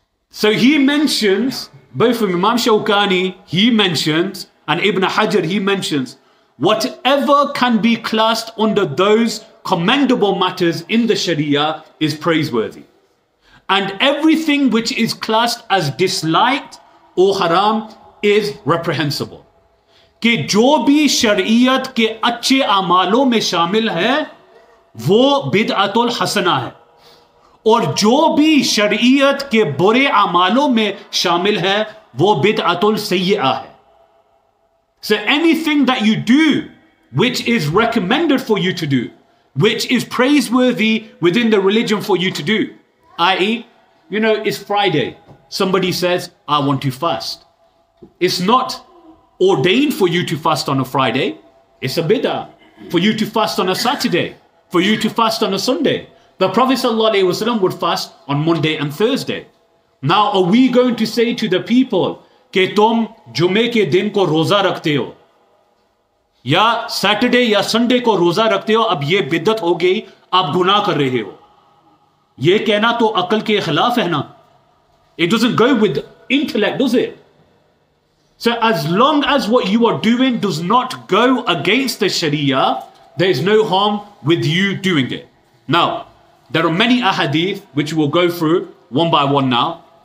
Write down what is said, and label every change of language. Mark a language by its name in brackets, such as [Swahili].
[English] So he mentions, both from Imam Shawkani, he mentions, and Ibn Hajar, he mentions, whatever can be classed under those commendable matters in the Sharia is praiseworthy. And everything which is classed as disliked or haram is reprehensible. [Urdu] کہ جو بھی شریعت کے اچھے اعمالوں میں شامل ہے وہ بدعت الحسنہ ہے، اور جو بھی شریعت کے برے اعمالوں میں شامل ہے وہ بدعت السیئہ ہے. [English] So anything that you do which is recommended for you to do, which is praiseworthy within the religion for you to do, i.e., you know, it's Friday, somebody says, I want to fast. It's not ordained for you to fast on a Friday. It's a bid'ah for you to fast on a Saturday, for you to fast on a Sunday. The Prophet sallallahu alaihi wasallam would fast on Monday and Thursday. Now, are we going to say to the people, [Urdu] ke tum jume ke din ko roza rakhte ho, یا Saturday یا Sunday کو روزہ رکھتے ہو، اب یہ بدعت ہو گئی، آپ گناہ کر رہے ہو؟ یہ کہنا تو عقل کے خلاف ہے نا. [English] It doesn't go with intellect, does it? So as long as what you are doing does not go against the sharia, there is no harm with you doing it. Now, there are many ahadith which we'll go through one by one now.